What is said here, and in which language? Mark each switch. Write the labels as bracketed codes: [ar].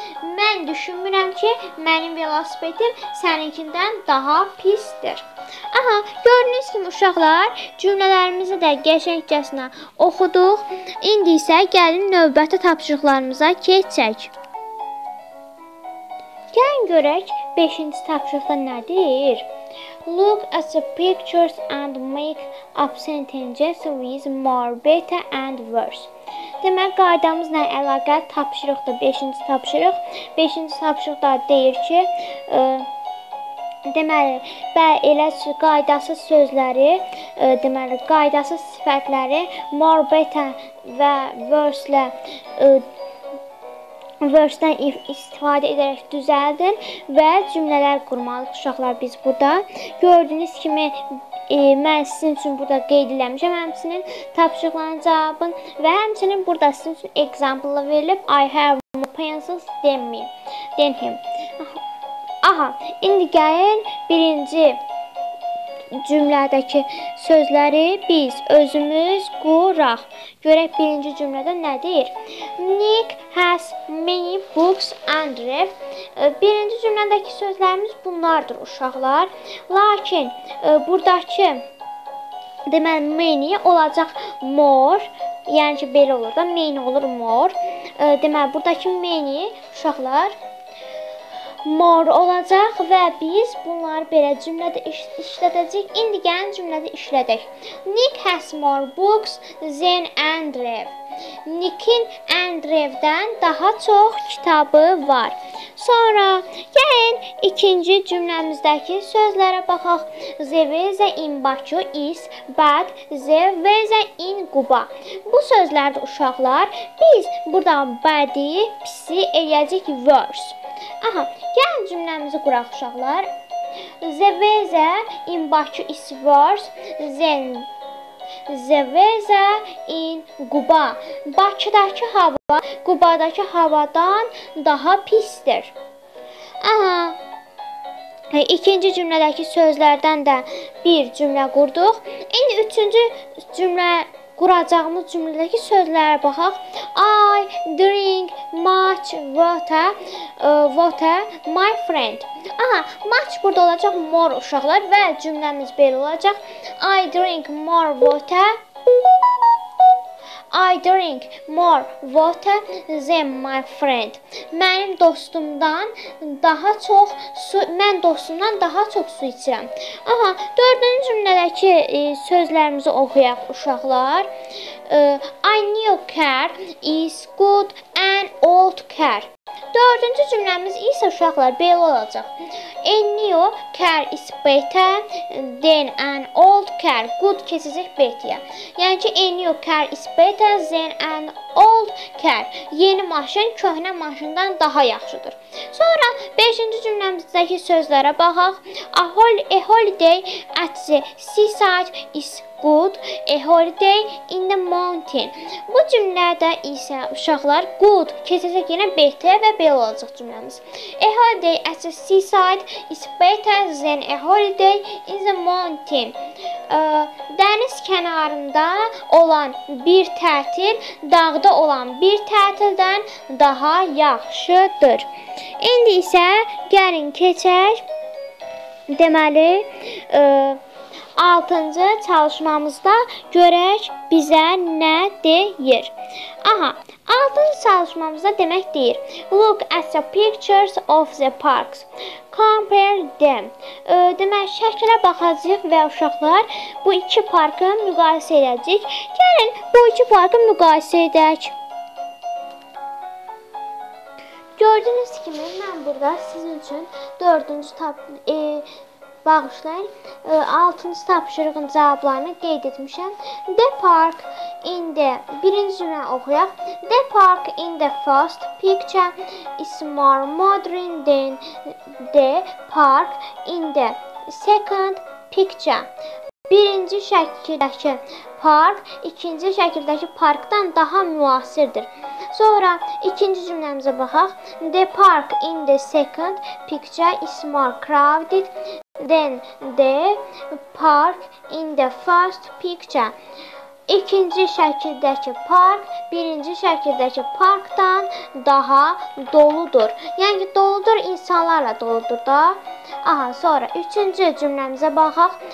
[az] Mən düşünmürəm ki, mənim velosipedim səninkindən daha pisdir. Aha, gördünüz kimi uşaqlar, cümlələrimizi də qəşəngcəsinə oxuduq. İndi isə gəlin növbəti tapşırıqlarımıza keçək. Gəlin görək, 5-ci tapşırıqda nə deyir? [en] Look at the pictures and make up sentences with more, better and worse. [az] Demək, qaydamızla əlaqət tapşırıqdır, 5-ci tapşırıq. 5-ci tapşırıqda deyir ki, deməli, elə qaydasız sözləri, deməli, qaydasız sifətləri more, better və worse-lə verse-dən istifadə edərək düzəldin və cümlələr qurmalıq uşaqlar biz burada. Gördüyünüz kimi mən sizin üçün burada qeyd eləmişəm həmçinin tapşırıqların cavabını və həmçinin burada sizin üçün example-la verilib [en] I have more pencils than me. Than him. [az] Aha, indi gəlin birinci cümlədəki sözləri biz özümüz quraq. Görək birinci cümlədə nə deyir? [en] Nick has many books and ref. [az] Birinci cümlədəki sözlərimiz bunlardır uşaqlar. Lakin burdakı deməli many olacaq more. Yəni ki belə olur da many olur more. Deməli burdakı many uşaqlar more olacaq və biz bunları belə cümlədə işlədəcəyik. İndi gəlin cümlədə işlədək. [en] Nick has more books than Andrew. [az] Nick'in Andrew'dən daha çox kitabı var. Sonra gəlin ikinci cümləmizdəki sözlərə baxaq. [en] The weather in Bakı is bad. The weather in Quba. [az] Bu sözlərdə uşaqlar biz burada bad-i, pis-i eləyəcək worse. Aha, gəlin cümləmizi quraq uşaqlar. [en] The weather in Bakı is worse than the weather in Quba. [az] Bakıdakı hava Qubadakı havadan daha pisdir. Aha, İkinci cümlədəki sözlərdən də bir cümlə qurduq. İndi üçüncü cümlə quracağımız cümlədəki sözlərə baxaq. [en] I drink much water. Water, my friend. [az] Aha, much burada olacaq more uşaqlar və cümləmiz belə olacaq. [en] I drink more water. I drink more water than my friend. [az] Mənim dostumdan daha çox su, mən dostumdan daha çox su içirəm. Aha, dördüncü cümlədəki sözlərimizi oxuyaq uşaqlar. [en] A new car is good and old car. [az] Dördüncü cümləmiz isə uşaqlar belə olacaq. [en] A new car is better than an old car. [az] Good keçəcək better-yə. Yəni ki, [en] a new car is better than an old car. [az] Yeni maşın köhnə maşından daha yaxşıdır. Sonra 5-ci cümləmizdəki sözlərə baxaq. [en] A holiday at the seaside is good. A holiday in the mountain. [az] Bu cümlədə isə uşaqlar good keçəcək yenə better və belə olacaq cümləmiz. [en] A holiday at the seaside is better than a holiday in the mountain. [az] Dəniz kənarında olan bir tətil dağda olan bir tətildən daha yaxşıdır. İndi isə gəlin keçək. Deməli, 6-cı çalışmamızda görək bizə nə deyir. Aha, 6-cı çalışmamızda demək deyir. [en] Look at the pictures of the parks. Compare them. [az] Demək, şəkilə baxacaq və uşaqlar bu iki parkı müqayisə edəcək. Gəlin, bu iki parkı müqayisə edək. Gördüyünüz kimi, mən burada sizin üçün 4-cü bağışlayın, 6-cı tapşırığın cavablarını qeyd etmişəm. [en] The park in the, [az] birinci cümlə oxuyaq. [en] The park in the first picture is more modern than the park in the second picture. [az] Birinci şəkildəki park, ikinci şəkildəki parkdan daha müasirdir. Sonra ikinci cümləmizə baxaq. [en] The park in the second picture is more crowded than the park in the first picture. [az] İkinci şəkildəki park, birinci şəkildəki parkdan daha doludur. Yəni doludur, insanlarla doludur da. Aha, sonra üçüncü cümləmizə baxaq.